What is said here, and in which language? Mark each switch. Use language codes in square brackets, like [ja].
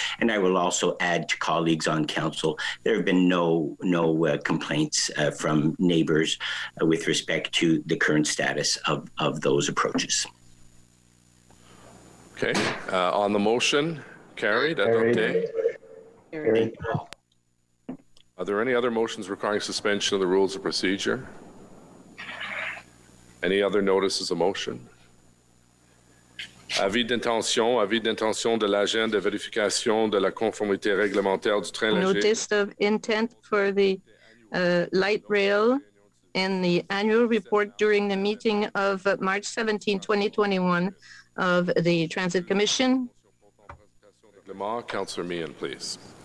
[en] And I will also add to colleagues on council, there have been no complaints from neighbors with respect to the current status of those approaches. Okay. On the motion, carried. Are there any other motions requiring suspension of the rules of procedure? Any other notices of motion? [fr] Avis d'intention de l'agent de vérification de la conformité réglementaire du train léger. [en] Notice of intent for the light rail in the annual report during the meeting of March 17, 2021. Of the Transit Commission. Councillor Meehan, please.